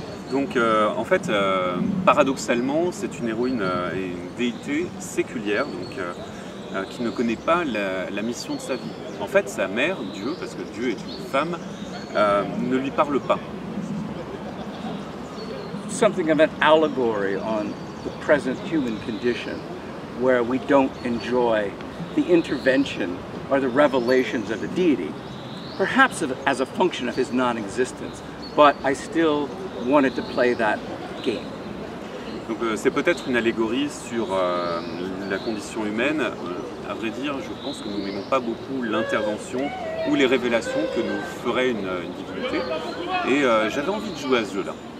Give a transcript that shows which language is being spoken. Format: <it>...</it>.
<fr>Donc, en fait, paradoxalement, c'est une héroïne et une déité séculière, donc qui ne connaît pas la mission de sa vie. En fait, sa mère, Dieu, parce que Dieu est une femme, ne lui parle pas.</fr> <en>Something of an allegory on the present human condition, where we don't enjoy the intervention or the revelations of a deity. Perhaps as a function of his non-existence, but I still wanted to play that game.</en> <fr>Donc c'est peut-être une allégorie sur la condition humaine. À vrai dire, je pense que nous n'aimons pas beaucoup l'intervention ou les révélations que nous ferait une divinité. Et j'avais envie de jouer à ce jeu-là.</fr>